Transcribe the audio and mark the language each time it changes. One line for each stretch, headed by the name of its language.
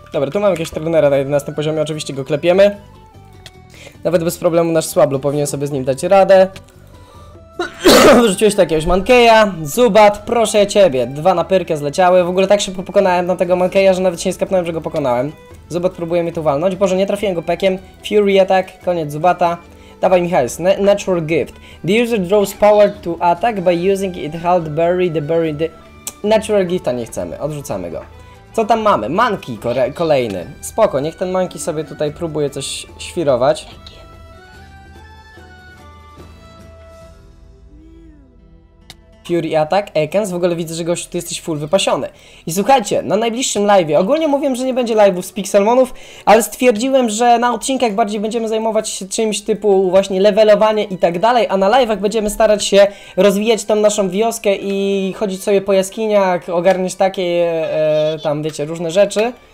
Polish: Dobra, tu mam jakieś trenera na 11 poziomie, oczywiście go klepiemy. Nawet bez problemu nasz Swablu powinien sobie z nim dać radę. Wrzuciłeś takiegoś Mankeya. Zubat, proszę ciebie. Dwa na pyrkę zleciały. W ogóle tak szybko pokonałem na tego Mankeya, że nawet się nie skapnąłem, że go pokonałem. Zubat próbuje mi tu walnąć. Boże, nie trafiłem go pekiem. Fury attack, koniec Zubata. Dawaj mi hajs. Natural gift.
English: The user draws power to attack by using it held berry the berry the...
Polish: Natural gifta nie chcemy, odrzucamy go. Co tam mamy? Monkey kolejny. Spoko, niech ten monkey sobie tutaj próbuje coś świrować. Fury attack, Ekans, w ogóle widzę, że gościu, ty jesteś full wypasiony. I słuchajcie, na najbliższym live'ie, ogólnie mówiłem, że nie będzie live'ów z Pixelmonów, ale stwierdziłem, że na odcinkach bardziej będziemy zajmować się czymś typu właśnie levelowanie i tak dalej, a na live'ach będziemy starać się rozwijać tam naszą wioskę i chodzić sobie po jaskiniach, ogarniać takie, tam wiecie, różne rzeczy.